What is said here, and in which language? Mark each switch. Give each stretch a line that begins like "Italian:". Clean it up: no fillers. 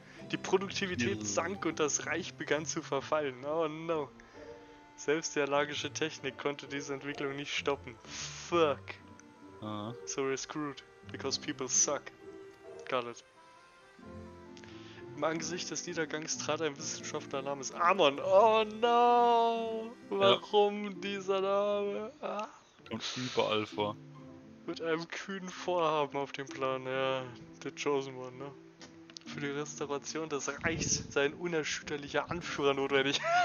German: Die Produktivität sank und das Reich begann zu verfallen.
English: Oh no.
German: Selbst die allergische Technik konnte diese Entwicklung nicht stoppen.
English: Fuck. So we're screwed. Because people suck. Got it.
German: Im Angesicht des Niedergangs trat ein Wissenschaftler namens Amon.
English: Oh no!
German: Warum dieser Name? Und über Alpha. Mit einem kühnen Vorhaben auf dem Plan, ja. Der Chosen One, ne? Für die Restauration des Reichs sei ein unerschütterlicher Anführer notwendig.